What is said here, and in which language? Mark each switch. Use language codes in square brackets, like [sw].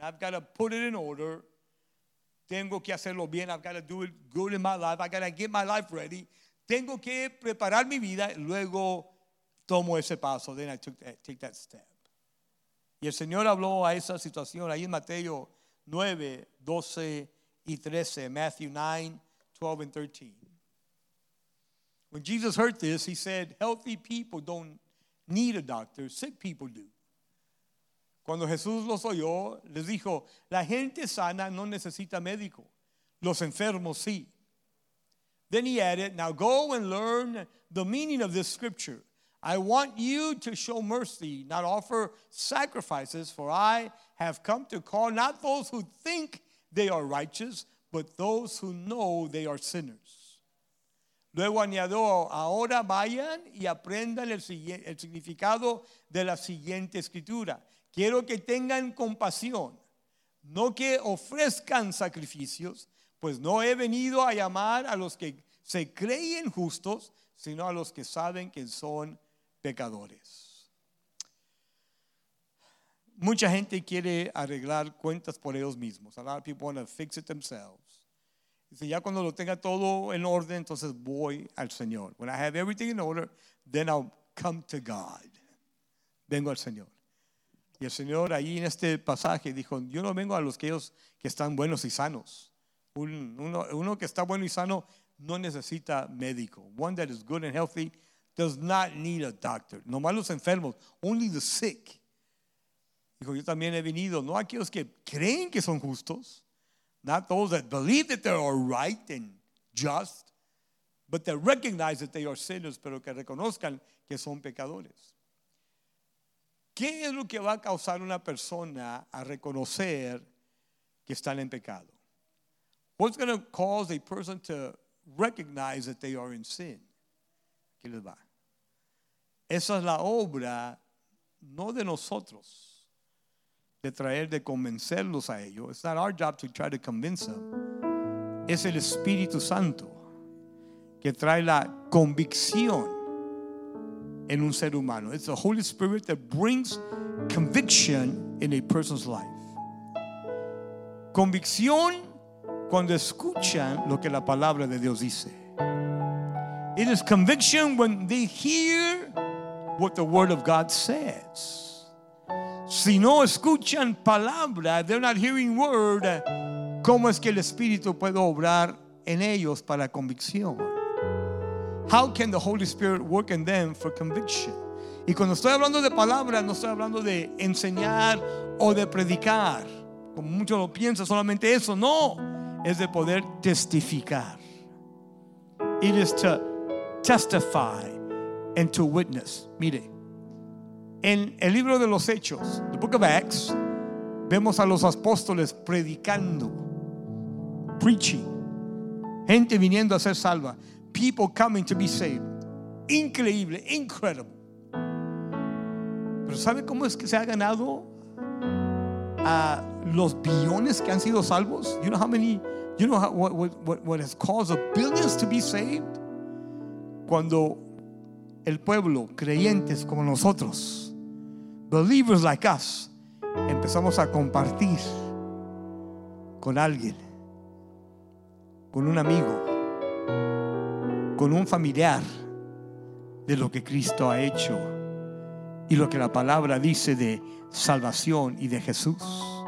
[en] I've got to put it in order. [es] Tengo que hacerlo bien. [en] I've got to do it good in my life. I've got to get my life ready. [es] Tengo que preparar mi vida. Luego tomo ese paso. [en] Then I take that step. [es] Y el Señor habló a esa situación ahí en Mateo 9, 12 y 13. [en] Matthew 9, 12 and 13. When Jesus heard this, he said, healthy people don't need a doctor. Sick people do. [es] Cuando Jesús los oyó, les dijo, la gente sana no necesita médico. Los enfermos sí. [en] Then he added, now go and learn the meaning of this scripture. I want you to show mercy, not offer sacrifices, for I have come to call not those who think they are righteous, but those who know they are sinners. [es] Luego añadió, ahora vayan y aprendan el significado de la siguiente escritura. Quiero que tengan compasión, no que ofrezcan sacrificios, pues no he venido a llamar a los que se creen justos, sino a los que saben que son pecadores. Mucha gente quiere arreglar cuentas por ellos mismos. [en] A lot of people want to fix it themselves. [es] Dice, ya cuando lo tenga todo en orden, entonces voy al Señor. [en] When I have everything in order, then I'll come to God. [es] Vengo al Señor. Y el Señor ahí en este pasaje dijo, yo no vengo a los que ellos que están buenos y sanos. Uno que está bueno y sano no necesita médico. [en] One that is good and healthy does not need a doctor. [es] Nomás los enfermos, [en] only the sick. [es] Dijo, yo también he venido, no aquellos que creen que son justos, [en] not those that believe that they are right and just, but that recognize that they are sinners, [es] pero que reconozcan que son pecadores. ¿Qué es lo que va a causar una persona a reconocer que están en pecado? [en] What's going to cause a person to recognize that they are in sin? [es] ¿Qué les va? Esa es la obra, no de nosotros, de traer, de convencerlos a ello. [en] It's not our job to try to convince them. [es] Es el Espíritu Santo que trae la convicción en un ser humano. [en] It's the Holy Spirit that brings conviction in a person's life. [es] Convicción cuando escuchan lo que la palabra de Dios dice. [en] It is conviction when they hear what the word of God says. [es] Si no escuchan palabra, [en] they're not hearing word, [es] ¿cómo es que el Espíritu puede obrar en ellos para convicción? [en] How can the Holy Spirit work in them for conviction? [es] Y cuando estoy hablando de palabra, no estoy hablando de enseñar o de predicar, como muchos lo piensan, solamente eso. No, es de poder testificar. [en] It is to testify and to witness. [es] Mire, en el libro de los Hechos, [en] the book of Acts, [es] vemos a los apóstoles predicando, preaching, gente viniendo a ser salva. [en] People coming to be saved. Increíble, incredible. [es] Pero ¿sabe cómo es que se ha ganado a los billones que han sido salvos? [en] You know how many, you know how, what has caused the billions to be saved? [es] Cuando el pueblo, creyentes como nosotros, [en] believers like us, [es] empezamos a compartir con alguien, con un amigo, con un familiar, de lo que Cristo ha hecho y lo que la palabra dice de salvación y de Jesús.